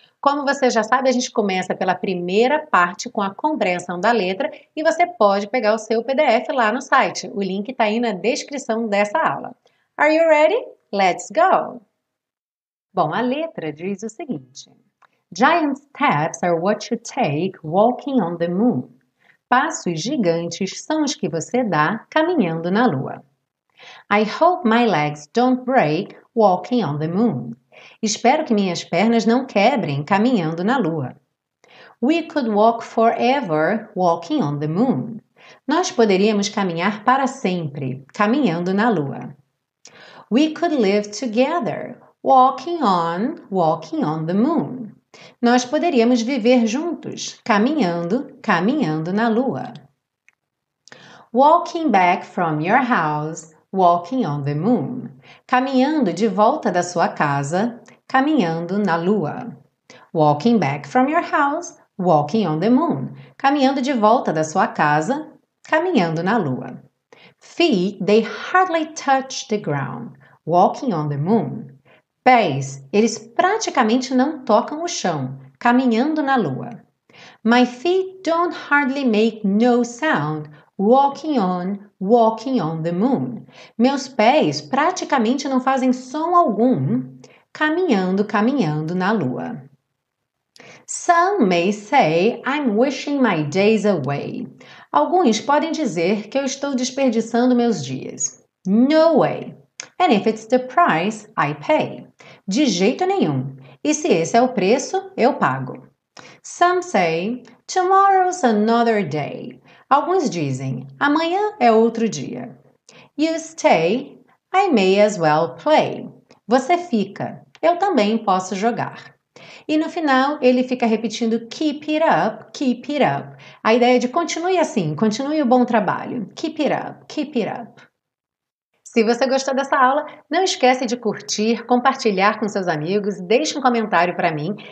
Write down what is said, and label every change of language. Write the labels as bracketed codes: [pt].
[pt] Como você já sabe, a gente começa pela primeira parte com a compreensão da letra e você pode pegar o seu PDF lá no site. O link está aí na descrição dessa aula. [en] Are you ready? Let's go! [pt] Bom, a letra diz o seguinte. [en] Giant steps are what you take walking on the moon. [pt] Passos gigantes são os que você dá caminhando na lua. [en] I hope my legs don't break walking on the moon. [pt] Espero que minhas pernas não quebrem caminhando na lua. [en] We could walk forever walking on the moon. [pt] Nós poderíamos caminhar para sempre caminhando na lua. [en] We could live together walking on the moon. [pt] Nós poderíamos viver juntos, caminhando, caminhando na lua. [en] Walking back from your house, walking on the moon. [pt] Caminhando de volta da sua casa, caminhando na lua. [en] Walking back from your house, walking on the moon. [pt] Caminhando de volta da sua casa, caminhando na lua. [en] Feet, they hardly touch the ground, walking on the moon. [pt] Pés, eles praticamente não tocam o chão, caminhando na lua. [en] My feet don't hardly make no sound, walking on the moon. [pt] Meus pés praticamente não fazem som algum, caminhando, caminhando na lua. [en] Some may say I'm wishing my days away. [pt] Alguns podem dizer que eu estou desperdiçando meus dias. [en] No way. And if it's the price, I pay. [pt] De jeito nenhum. E se esse é o preço, eu pago. [en] Some say, tomorrow's another day. [pt] Alguns dizem, amanhã é outro dia. [en] You stay, I may as well play. [pt] Você fica, eu também posso jogar. E no final, ele fica repetindo, [en] keep it up. [pt] A ideia de continue assim, continue o bom trabalho. [en] Keep it up, keep it up. [pt] Se você gostou dessa aula, não esquece de curtir, compartilhar com seus amigos, deixe um comentário para mim.